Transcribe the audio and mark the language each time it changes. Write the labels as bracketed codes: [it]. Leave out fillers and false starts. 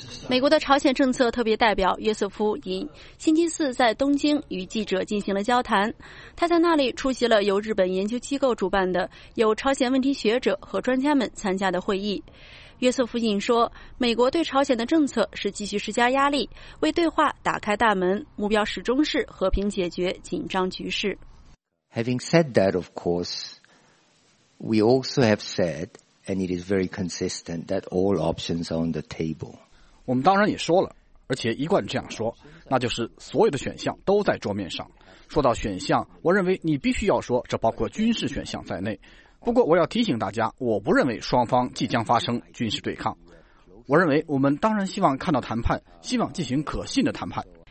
[zh] 美国的朝鲜政策特别代表约瑟夫·尹星期四在东京与记者进行了交谈，他在那里出席了由日本研究机构主办的有朝鲜问题学者和专家们参加的会议。约瑟夫·尹说，美国对朝鲜的政策是继续施加压力，为对话打开大门，目标始终是和平解决紧张局势。 [en] Having said that, of course, we also have saidAnd it is very consistent that all options are on the table. [zh] 我们当然也说了，而且一贯这样说，那就是所有的选项都在桌面上。说到选项，我认为你必须要说这包括军事选项在内。不过我要提醒大家，我不认为双方即将发生军事对抗。我认为我们当然希望看到谈判，希望进行可信的谈判。